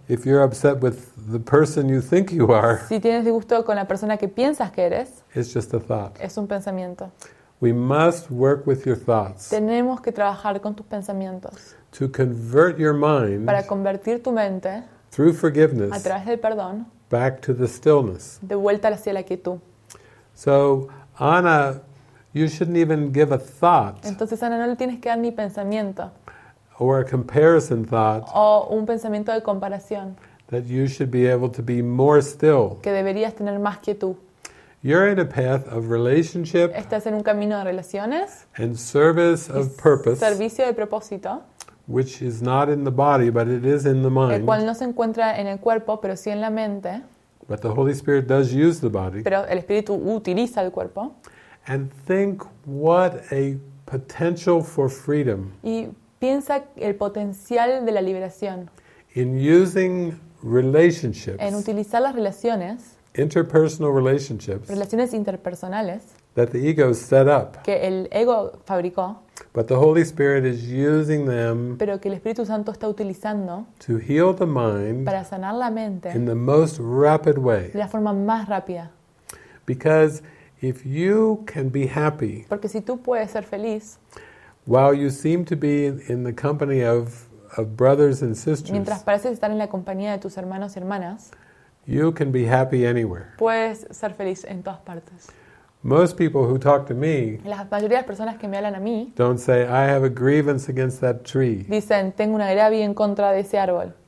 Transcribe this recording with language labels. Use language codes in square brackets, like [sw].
[en] If you're upset with the person you think you are, [es] si tienes disgusto con la persona que piensas que eres, [en] it's just a thought. [es] Es un pensamiento. [en] We must work with your thoughts. [es] Tenemos que trabajar con tus pensamientos. [en] To convert your mind, [es] para convertir tu mente, [en] through forgiveness, [es] a través del perdón, [en] back to the stillness. [es] De vuelta hacia la quietud. [en] So, Ana, you shouldn't even give a thought. [es] Entonces, Ana, no le tienes que dar ni pensamiento. [en] Or a comparison thought. [es] O un pensamiento de comparación. [en] That you should be able to be more still. [es] Que deberías tener más quietud. [en] You're in a path of relationship. [es] Estás en un camino de relaciones. [en] And service of purpose. [es] Servicio de propósito. [en] Which is not in the body, but it is in the mind. [es] El cual no se encuentra en el cuerpo, pero sí en la mente. [en] But the Holy Spirit does use the body. [es] Pero el Espíritu utiliza el cuerpo. [en] And think what a potential for freedom. [es] Y piensa el potencial de la liberación. [en] In using relationships. [es] En utilizar las relaciones. [en] Interpersonal relationships. [es] Relaciones interpersonales. [en] That the ego set up. [es] Que el ego fabricó. [en] But the Holy Spirit is using them. [es] Pero que el Espíritu Santo está utilizando. [en] To heal the mind. [es] Para sanar la mente. [en] In the most rapid way. [es] De la forma más rápida. [en] Because if you can be happy, [es] porque si tú puedes ser feliz, [en] While you seem to be in the company of brothers and sisters, [es] mientras pareces estar en la compañía de tus hermanos y hermanas, [en] you can be happy anywhere. [es] Puedes ser feliz en todas partes. [en] Most people who talk to me, [es] la mayoría de las personas que me hablan a mí, [en] don't say, I have a grievance against that tree. [es] Dicen, tengo un agravio en contra de ese árbol.